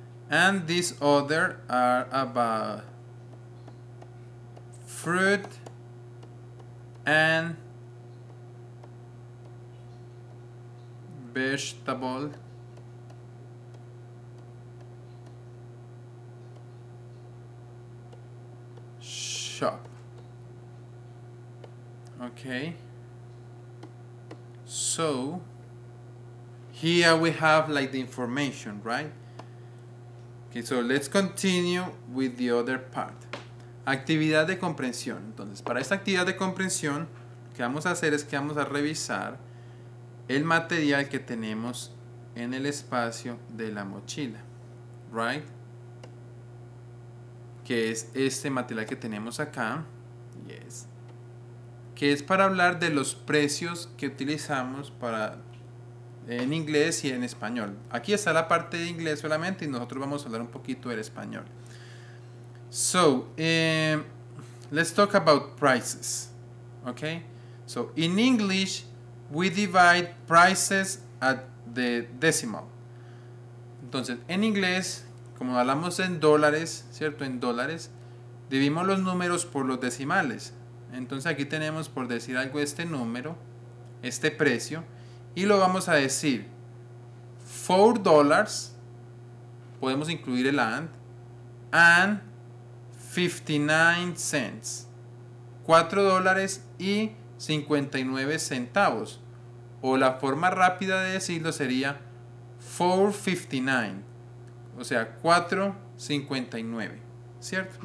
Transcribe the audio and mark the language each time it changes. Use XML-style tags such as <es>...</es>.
<en>And these other are about fruit and vegetable shop. Okay. So here we have like the information, right? Okay, so let's continue with the other part.</en> <es>Actividad de comprensión. Entonces, para esta actividad de comprensión, lo que vamos a hacer es que vamos a revisar el material que tenemos en el espacio de la mochila.</es> <en>Right?</en> <es>Que es este material que tenemos acá.</es> <en>Yes.</en> <es>Que es para hablar de los precios que utilizamos para... en inglés y en español. Aquí está la parte de inglés solamente y nosotros vamos a hablar un poquito del español.</es> <en>So, let's talk about prices. Okay? So, in English, we divide prices at the decimal.</en> <es>Entonces, en inglés, como hablamos en dólares, ¿cierto? En dólares, dividimos los números por los decimales. Entonces, aquí tenemos, por decir algo, este número, este precio. Y lo vamos a decir $4, podemos incluir el</es> <en>and 59 cents,</en> <es>$4.59, o la forma rápida de decirlo sería 4.59, o sea 4.59, ¿cierto?</es>